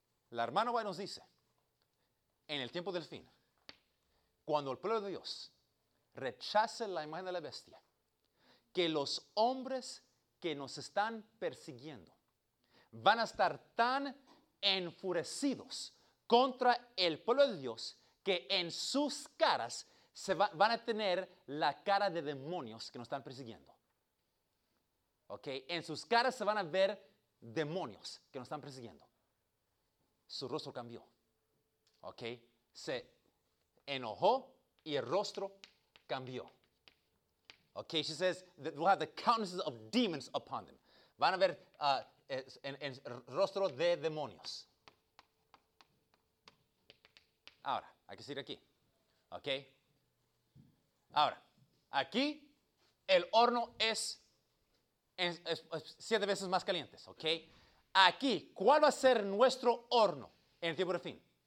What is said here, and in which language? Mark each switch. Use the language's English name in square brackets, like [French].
[Spanish] La hermana White nos dice, en el tiempo del fin, cuando el pueblo de Dios rechace la imagen de la bestia, que los hombres que nos están persiguiendo van a estar tan enfurecidos contra el pueblo de Dios que en sus caras van a tener la cara de demonios que nos están persiguiendo. ¿Ok? En sus caras se van a ver demonios que nos están persiguiendo. Su rostro cambió. ¿Ok? Se enojó y el rostro cambió. [English] Okay, she says that we'll have the countenances of demons upon them. [Spanish] Van a ver en rostro de demonios. Ahora, hay que seguir aquí. Okay. Ahora, aquí el horno es 7 veces más calientes, ¿ok? Aquí, ¿cuál va a ser nuestro horno en el tiempo del fin?